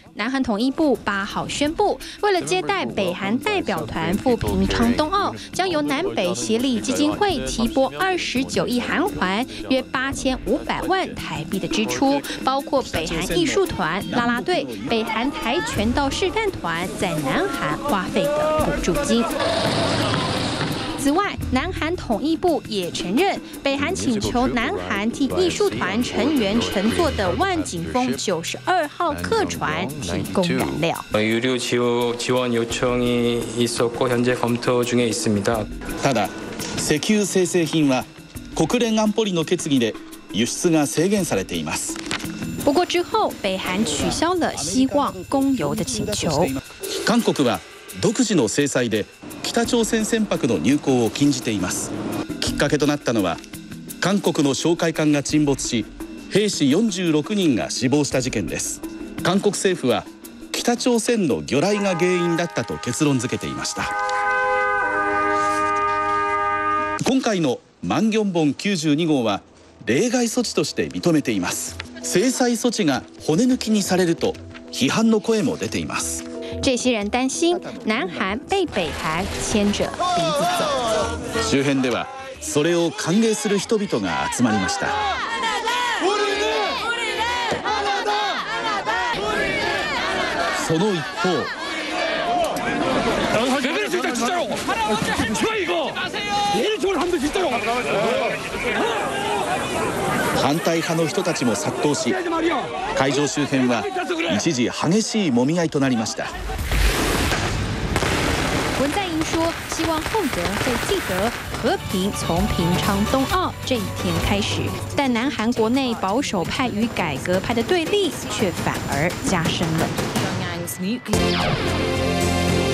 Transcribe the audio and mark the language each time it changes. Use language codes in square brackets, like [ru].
[zh] 南韩统一部八号宣布，为了接待北韩代表团赴平昌冬奥，将由南北协力基金会提拨29亿韩元，约8500万台币的支出，包括北韩艺术团、啦啦队、北韩跆拳道示范团在南韩花费的补助金。此外，南韩统一部也承认，北韩请求南韩替艺术团成员乘坐的万景峰92号客船提供燃料。 [ko] 유류지원지원요청이있었고현재검토중에있습니다。 [ja] ただ、石油精製品は国連安保理の決議で輸出が制限されています。 [zh] 不过之后，北韩取消了希望供油的请求。 [ja] 韓国は独自の制裁で北朝鮮船舶の入港を禁じています。きっかけとなったのは韓国の哨戒艦が沈没し兵士46人が死亡した事件です。韓国政府は北朝鮮の魚雷が原因だったと結論付けていました。今回のマンギョンボン92号は例外措置として認めています。制裁措置が骨抜きにされると批判の声も出ています。 [zh] 这些人担心南韩被北韩牵着鼻子走。 [ja] 周辺ではそれを歓迎する人々が集まりました。その一方、反対派の人たちも殺到し、会場周辺は一時激しい揉み合いとなりました。 [zh] 文在寅说，希望后人会记得和平从平昌冬奥这一天开始，但南韩国内保守派与改革派的对立却反而加深了。